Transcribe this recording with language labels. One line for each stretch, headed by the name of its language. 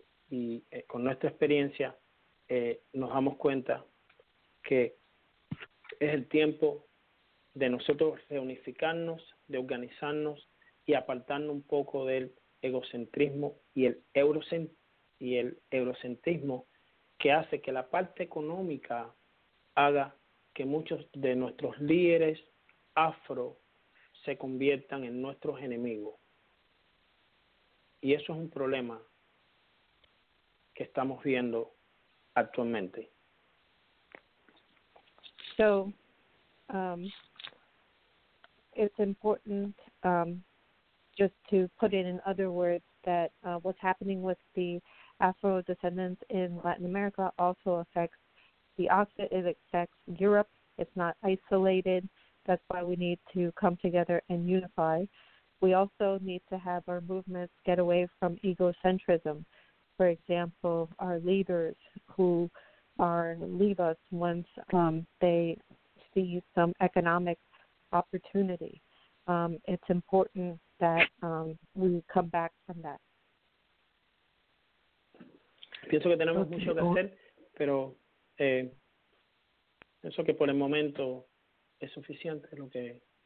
Spanish: Y con nuestra experiencia nos damos cuenta que es el tiempo de nosotros reunificarnos, de organizarnos y apartarnos un poco del egocentrismo y el eurocentrismo que hace que la parte económica haga que muchos de nuestros líderes afro se conviertan en nuestros enemigos. Y eso es un problema que estamos viendo actualmente.
English: So, it's important just to put it in other words that what's happening with the Afro-descendants in Latin America also affects the Occident, it affects Europe, it's not isolated, that's why we need to come together and unify. We also need to have our movements get away from egocentrism, for example, our leaders who are leave us once they see some economic opportunity. It's important that we come back from that.
Spanish: Pienso que tenemos mucho que hacer, pero pienso que por el momento es suficiente lo que.